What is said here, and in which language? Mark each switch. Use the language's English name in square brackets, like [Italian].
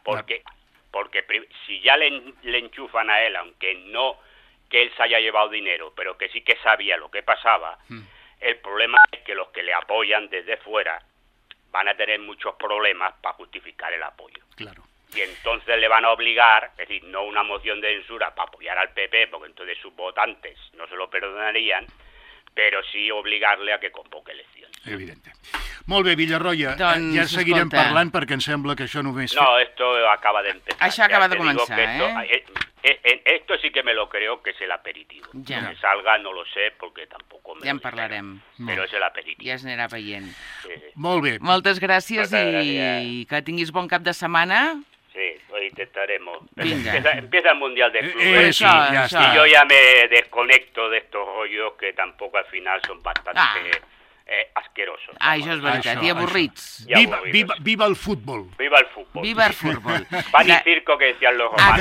[Spanish] Porque si ya le enchufan a él, aunque no que él se haya llevado dinero, pero que sí que sabía lo que pasaba, el problema es que los que le apoyan desde fuera van a tener muchos problemas para justificar el apoyo. Claro. Y entonces le van a obligar, es decir, no una moción de censura para apoyar al PP, porque entonces sus votantes no se lo perdonarían, pero sí obligarle a que convoque elecciones. [Catalan] Evidente. Molt bé, Villarroya, doncs, ja seguirem parlant perquè em sembla que això només... [Spanish] No, esto acaba d'empezar. [Catalan] Això acaba de començar, eh? [Spanish] Esto, esto sí que me lo creo que es el aperitivo. [Catalan] Ja. [Spanish] Que salga no lo sé porque tampoco me [Catalan] ja en parlarem. Però és [Spanish] el aperitivo. [Catalan] Ja es anirà veient. [Spanish] Sí, sí. [Catalan] Molt bé. Moltes gràcies, gràcies i que tinguis bon cap de setmana. [Spanish] Sí, lo intentaremos. Venga. Empieza el Mundial de Clubes. Sí, ya está. Y yo ya me desconecto de estos rollos que tampoco al final son bastante asquerosos. Ah, eso es verdad. Y aburridos. Viva el fútbol. Viva el fútbol. Viva el fútbol. Van y circo que decían los romanos.